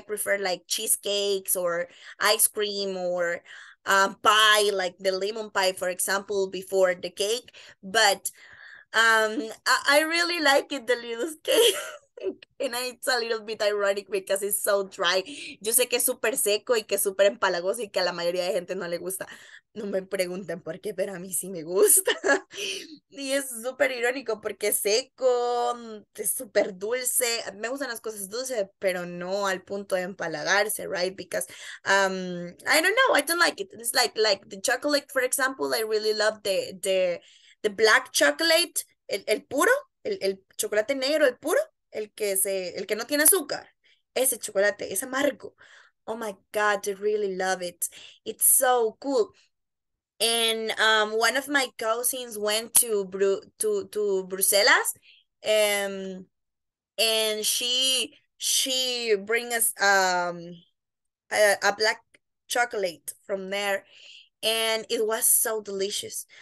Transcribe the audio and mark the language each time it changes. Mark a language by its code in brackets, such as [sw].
[en] I prefer like cheesecakes or ice cream or pie, like the lemon pie, for example, before the cake. But I really like it, the little cake. And it's a little bit ironic because it's so dry. [es] Yo sé que es súper seco y que es súper empalagoso y que a la mayoría de gente no le gusta. No me pregunten por qué, pero a mí sí me gusta. Y es súper irónico porque es seco, es súper dulce. Me gustan las cosas dulces, pero no al punto de empalagarse, right? [en] Because I don't know, I don't like it. It's like the chocolate, for example. I really love the black chocolate, [es] el puro, el chocolate negro, el puro. El que no tiene azúcar, ese chocolate, ese amargo. [en] Oh my God, I really love it. It's so cool. And one of my cousins went to Bruselas, and she bring us a black chocolate from there, and it was so delicious.